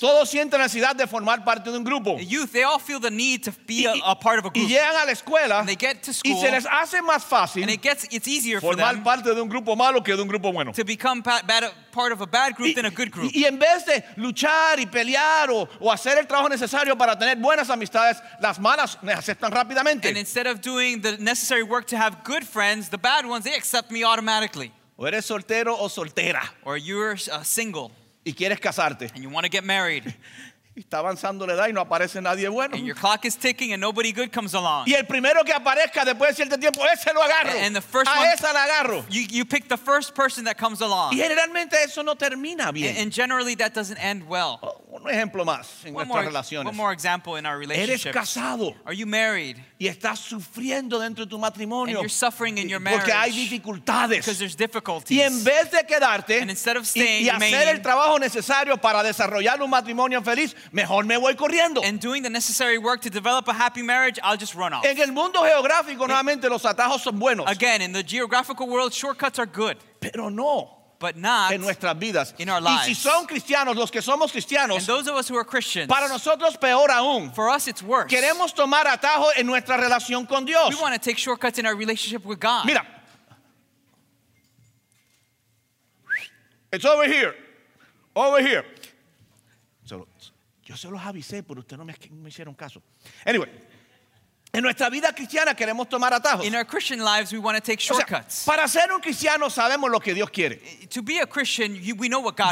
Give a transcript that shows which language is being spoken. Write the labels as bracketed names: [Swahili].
[Spanish] Jóvenes, todos sienten la necesidad de formar parte de un grupo. [English] The youth, they all feel the need to be a part of a group. [Spanish] Y llegan a la escuela, [English] and they get to school. [Spanish] Y se les hace más fácil, [English] and it's easier for them [Spanish] parte de un grupo malo que de un grupo bueno. [English] To become part of a bad group than a good group. [Spanish] Y en vez de luchar y pelear o hacer el trabajo necesario para tener buenas amistades, las malas me aceptan rápidamente. [English] And instead of doing the necessary work to have good friends, the bad ones, they accept me automatically. [Spanish] O eres soltero o soltera. [English] Or you're single. [Spanish] Y quieres casarte. [English] And you want to get married. [Spanish] Está avanzando la edad y no aparece nadie bueno. [English] And your clock is ticking and nobody good comes along. [Spanish] Y el primero que aparezca después de cierto tiempo, ese lo agarro. [English] And the first [Spanish] a [English] one, [Spanish] esa la agarro. [English] You pick the first person that comes along. [Spanish] Y generalmente eso no termina bien. [English] And generally that doesn't end well. [Spanish] Un ejemplo más en nuestras relaciones. [English] One more example in our relationships. [Spanish] Eres casado. [English] Are you married? [Spanish] Y estás sufriendo dentro de tu matrimonio. [English] And you're suffering in your marriage. [Spanish] Porque hay dificultades. [English] Because there's difficulties. [Spanish] Y en vez de quedarte [English] and instead of staying, [Spanish] y hacer [English] remaining, [Spanish] el trabajo necesario para desarrollar un matrimonio feliz, mejor me voy corriendo. [English] And doing the necessary work to develop a happy marriage, I'll just run off. [Spanish] En el mundo geográfico, nuevamente, los atajos son buenos. [English] Again, in the geographical world, shortcuts are good. [Spanish] Pero no. [English] But not [Spanish] en nuestras vidas. [English] In our lives. [Spanish] Y si son cristianos, los que somos cristianos, [English] and those of us who are Christians, [Spanish] para nosotros peor aún, [English] for us it's worse. [Spanish] Queremos tomar atajo en nuestra relación con Dios. [English] We want to take shortcuts in our relationship with God. [Spanish] Mira. [English] It's over here. Over here. [Spanish] So, yo se los avisé, pero ustedes no me hicieron caso. Anyway, en nuestra vida cristiana queremos tomar atajos. [English] In our Christian lives, we want to take shortcuts. [Spanish] O sea, para ser un cristiano sabemos lo que Dios quiere. [English] To be a Christian, we know what God